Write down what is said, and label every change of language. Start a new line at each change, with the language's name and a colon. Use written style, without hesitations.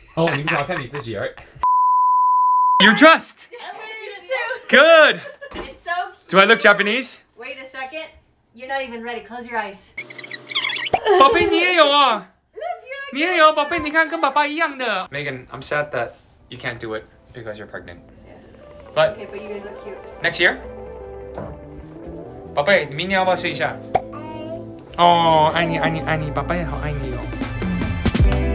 Chinese: 哦，你只要看你自己而已。
English: You're dressed. Good. It's so cute. Do I look Japanese? Wait a second. You're not even ready. Close your eyes.
Chinese: 宝贝，你也有啊。
English: Look,
Chinese: 你也有，宝贝，你看跟爸爸一样的。
English: Megan, I'm sad that you can't do it because you're pregnant. Yeah. But okay, but you guys look cute. Next year.
Chinese: 宝贝，你明年要不要试一下？哦，爱你，爱你，爱你，宝贝，好爱你哦。